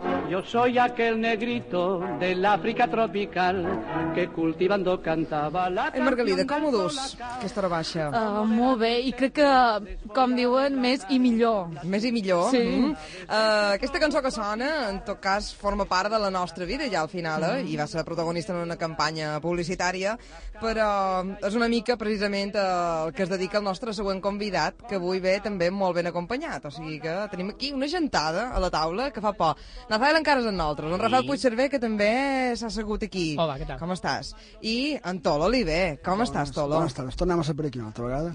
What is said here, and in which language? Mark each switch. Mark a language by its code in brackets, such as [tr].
[es] Yo soy aquel negrito de l'Àfrica tropical que cultivando cantaba la... [ca] Ei, Margalida, com ho dus, aquesta hora baixa? Molt bé, i crec que, com diuen, més i millor. Més i millor? Sí. Aquesta cançó que sona, en tot cas, forma part de la nostra vida ja al final, i va ser protagonista en una campanya publicitària, però és una mica precisament el que es dedica el nostre següent convidat, que avui ve també molt ben acompanyat. O sigui que tenim aquí una gentada a la taula que fa por. Rafael encara és amb nosaltres. En Rafael Puigcerver, que també s'ha assegut aquí. Hola, què tal? Com estàs? I en Tolo Oliver. Com estàs, Tolo? Bones tardes. Tornem a ser per aquí una altra vegada.